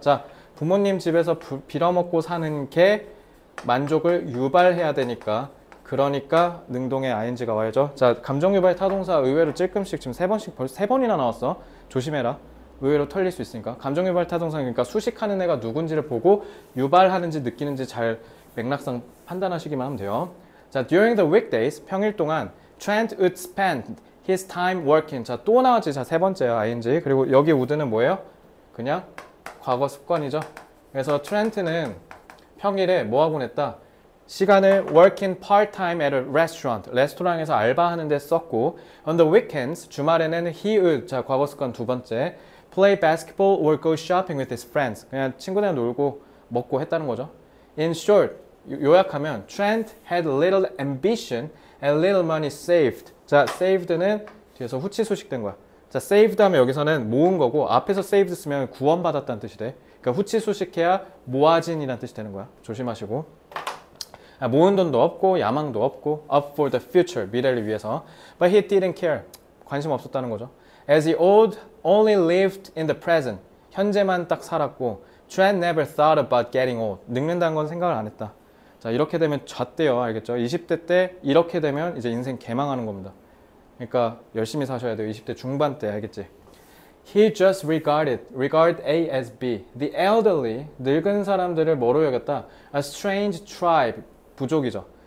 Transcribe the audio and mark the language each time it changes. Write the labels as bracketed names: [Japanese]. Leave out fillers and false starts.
[Korean] 자, 부모님 집에서 빌어먹고 사는 게 만족을 유발해야 되니까, 그러니까 능동에 ing가 와야죠. 자, 감정 유발 타동사 의외로 찔끔씩 지금 세 번이나 나왔어. 조심해라. 의외로 털릴 수 있으니까. 감정 유발 타동사 그러니까 수식하는 애가 누군지를 보고 유발하는지 느끼는지 잘 맥락상 판단하시기만 하면 돼요. [English] 자, during the weekdays, [Korean] 평일 동안 [English] Trent would spend his time working. [Korean] 자, 또 나왔지. 자, 세 번째야 ing. 그리고 여기 would는 뭐예요? 그냥 과거 습관이죠. 그래서 Trent는 평일에 뭐 하고 냈다? 시간을 [English] working part time at a restaurant, [Korean] 레스토랑에서 알바하는 데 썼고, [English] on the weekends, [Korean] 주말에는 [English] he would, [Korean] 자, 과거 습관 두 번째, [English] play basketball or go shopping with his friends. [Korean] 그냥 친구들이랑 놀고 먹고 했다는 거죠. [English] In short, [Korean] 요약하면 [English] Trent had little ambition and little money saved. [Korean] 자, saved는 뒤에서 후치 수식된 거야. 자, saved 하면 여기서는 모은 거고 앞에서 saved 쓰면 구원받았다는 뜻이 돼. 그러니까 후치 수식해야 모아진이란 뜻이 되는 거야. 조심하시고. 모은 돈도 없고 야망도 없고 [English] up for the future, [Korean] 미래를 위해서. [English] But he didn't care. [Korean] 관심 없었다는 거죠. [English] As he old, only lived in the present. [Korean] 현재만 딱 살았고 [English] Trent never thought about getting old. [Korean] 늙는다는 건 생각을 안 했다. 자, 이렇게 되면 좌대요. 알겠죠? 20대 때 이렇게 되면 이제 인생 개망하는 겁니다. 그러니까 열심히 사셔야 돼요. 20대 중반 때. 알겠지? [English] He just regard A as B. The elderly, [Korean] 늙은 사람들을 뭐로 여겼다? [English] A strange tribe, [Korean] 부족이죠.